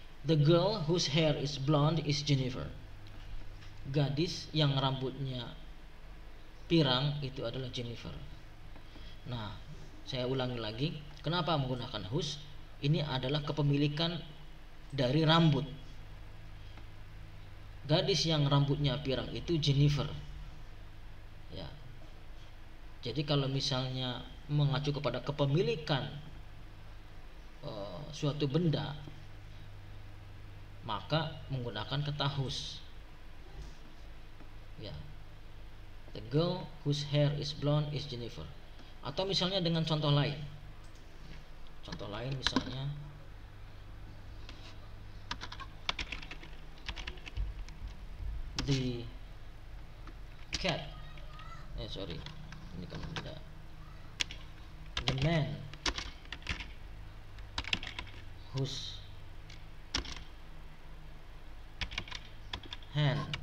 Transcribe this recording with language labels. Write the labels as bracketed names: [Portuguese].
[English] The girl whose hair is blonde is Jennifer. [Indonesian] Gadis yang rambutnya pirang itu adalah Jennifer. Nah, saya ulangi lagi, kenapa menggunakan whose? Ini adalah kepemilikan dari rambut. Gadis yang rambutnya pirang itu Jennifer. Ya. Jadi kalau misalnya mengacu kepada kepemilikan suatu benda, maka menggunakan kata whose. Ya. [English] The girl whose hair is blonde is Jennifer. [Indonesian] Atau misalnya dengan contoh lain. Contoh lain misalnya, [English] the man whose hand